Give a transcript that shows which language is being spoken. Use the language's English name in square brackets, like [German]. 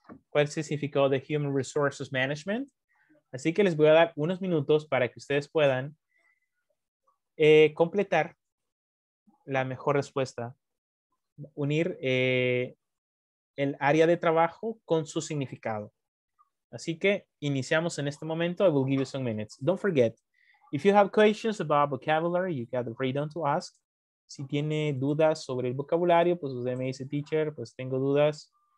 [Spanish] ¿Cuál es el significado de human resources management? Así que les voy a dar unos minutos para que ustedes puedan completar la mejor respuesta. Unir el área de trabajo con su significado. Así que iniciamos en este momento. [English] I will give you some minutes. Don't forget, if you have questions about vocabulary, you got the freedom to ask. [Spanish] Si tiene dudas sobre el vocabulario, pues usted me dice, teacher, pues tengo dudas.